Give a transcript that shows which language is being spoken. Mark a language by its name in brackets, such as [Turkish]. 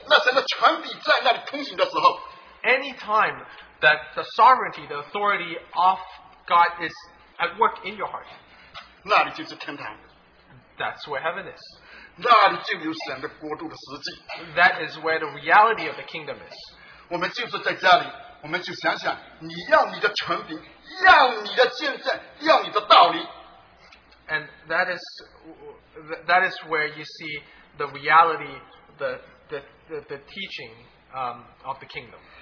[Chinese] 你什么时候，你在哪里，那神的国，那神的权柄在那里通行的时候， [English] any time that the sovereignty, the authority of God is at work in your heart, [Chinese] 那里就是天堂， [English] that's where heaven is, [Chinese] 那里就有神的国度的实际， [English] that is where the reality of the kingdom is. [Chinese] 我们就是在家里，我们就想想，你要你的权柄，要你的见证，要你的道理。 [English] And that is where you see the reality, the teaching of the kingdom.